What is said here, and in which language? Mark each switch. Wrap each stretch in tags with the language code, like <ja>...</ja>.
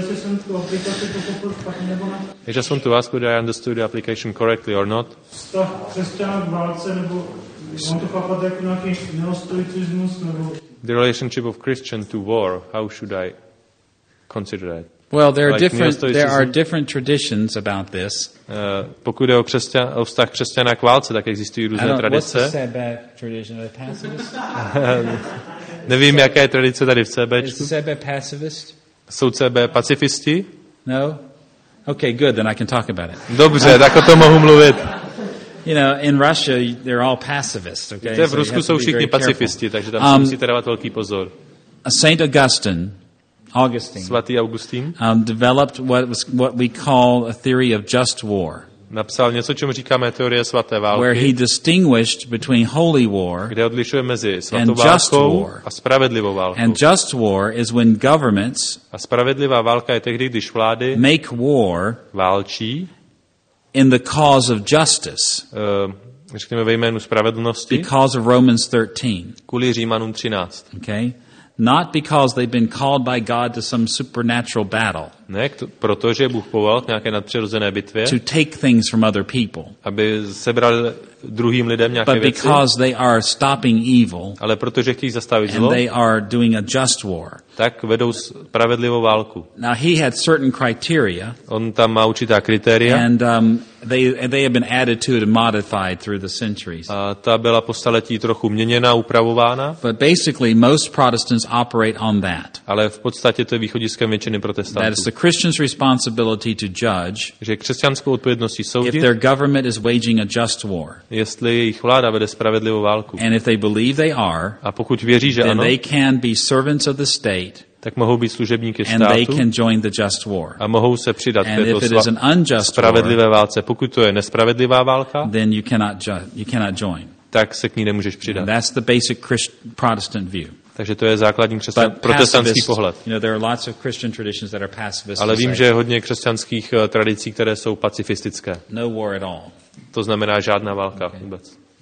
<en>I just want to ask whether I understood the application correctly or not. The relationship of Christian to war, how should I consider that? Well, there are different traditions about this.</en> <cs>Pokud jde o vztah křesťana k válce, tak existují různé tradice.</cs> <en>What's the Sebek tradition? Are they pacifists?</en> <cs>Nevím, jaká je tradice tady v CBčku.</cs> <en>Is Sebek pacifist?</en> <cs>Jsou CB pacifisti?</cs> <en>No? Okay, good, then I can talk about it.</en> <cs>Dobře, tak o tom mohu mluvit.</cs> <en>You know, in Russia, they're all pacifists, okay?</en> <cs>Víte, v Rusku jsou všichni pacifisti, takže tam si musíte dávat velký pozor.</cs> <en>Saint Augustine, Augustine.</en> <cs>Svatý Augustín.</cs> <en>Developed what we call a theory of just war.</en> <cs>Napsal něco, čemu říkáme teorie svaté války.</cs> <en>Where he distinguished between holy war,</en> <cs>kde odlišuje mezi svatou válkou a spravedlivou válkou.</cs> <en>And just war is when governments,</en> <cs>a spravedlivá válka je tehdy, když vlády</cs> <en>make war,</en> <cs>válčí</cs> <en>in the cause of justice.</en> <cs>Řekněme ve jménu spravedlnosti.</cs> <en>Because of Romans 13.</en> <cs>Kvůli Římanům 13.</cs> <en>Okay? Not because they've been called by God to some supernatural battle.</en> <cs>Ne, protože Bůh povolal k nějaké nadpřirozené bitvě.</cs> <en>To take things from other people.</en> <cs>Aby sebral druhým lidem nějaké</cs> <en>but</en> <cs>věci.</cs> <en>But because they are stopping evil.</en> <cs>Ale protože chtějí zastavit</cs> <en>and</en> <cs>zlo.</cs> <en>And they are doing a just war.</en> <cs>Tak vedou spravedlivou válku.</cs> <en>Now he had certain criteria.</en> <cs>On tam má určitá kritéria.</cs> <en>And they have been added to and modified through the centuries.</en> <cs>A ta byla po staletí trochu měněna, upravována.</cs> <en>But basically most Protestants operate on that.</en> <cs>Ale v podstatě to je východiskem většiny protestantů.</cs> <en>That is the Christian's responsibility to judge.</en> <cs>Že křesťanskou odpovědností soudit.</cs> <en>If their government is waging a just war.</en> <cs>Jestli jejich vláda vede spravedlivou válku.</cs> <en>And if they believe they are.</en> <cs>A pokud věří, že</cs> <en>then</en> <cs>ano.</cs> <en>They can be servants of the state.</en> <cs>Tak mohou být služebníky</cs> <en>and</en> <cs>státu</cs> <en>they can join the just war.</en> <cs>A mohou se přidat</cs> <en>and</en> <cs>k této spravedlivé válce. Pokud to je nespravedlivá válka,</cs> <en>then you cannot join.</en> <cs>Tak se k ní nemůžeš přidat.</cs> <en>That's the basic Protestant view.</en> <cs>Takže to je základní protestantský pohled.</cs> <en>You know, there are lots of Christian traditions that are pacifist.</en> <cs>Ale vím, že je hodně křesťanských tradicí, které jsou pacifistické.</cs> <en>No war at all.</en> <cs>To znamená žádná válka okay. Vůbec.</cs>